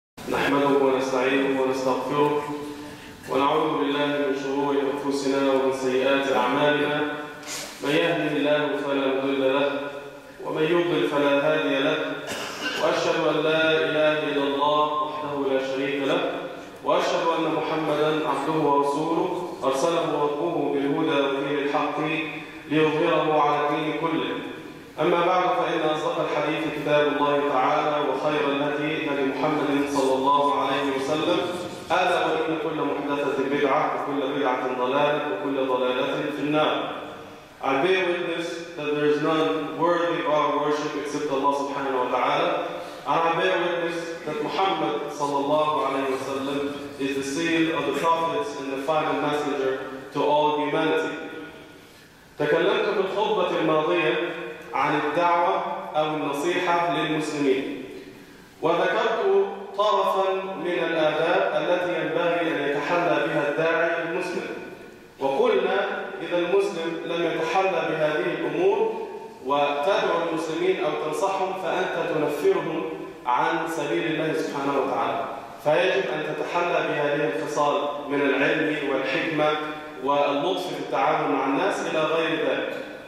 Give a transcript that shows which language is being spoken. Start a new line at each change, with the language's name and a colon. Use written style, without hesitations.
Arabic: نحمده ونستعينه ونستغفره ونعوذ بالله من شرور أنفسنا ومن سيئات أعمالنا، من يهده الله فلا مضل له ومن يضلل فلا هادي له، وأشهد أن لا إله إلا الله وحده لا شريك له، وأشهد أن محمدا عبده ورسوله أرسله ربه بالهدى ودين الحق ليظهره على الدين كله. أما بعد، فإن أصدق الحديث كتاب الله تعالى وخير الهدي هدي محمد صلى الله عليه وسلم، ألا وإن كل محدثة بدعة وكل بدعة ضلالة وكل ضلالة في النار.
English: I bear witness that there is none worthy of our worship except Allah subhanahu wa ta'ala. And I bear witness that Muhammad sallallahu alayhi wa sallam is the seal of the prophets and the final messenger to all humanity.
Arabic: تكلمت في الخطبة الماضية عن الدعوة أو النصيحة للمسلمين، وذكرت طرفا من الآداب التي ينبغي أن يتحلى بها الداعي المسلم، وقلنا إذا المسلم لم يتحلى بهذه الأمور وتدعو المسلمين أو تنصحهم فأنت تنفرهم عن سبيل الله سبحانه وتعالى، فيجب أن تتحلى بهذه الخصال من العلم والحكمة واللطف في التعامل مع الناس إلى غير ذلك.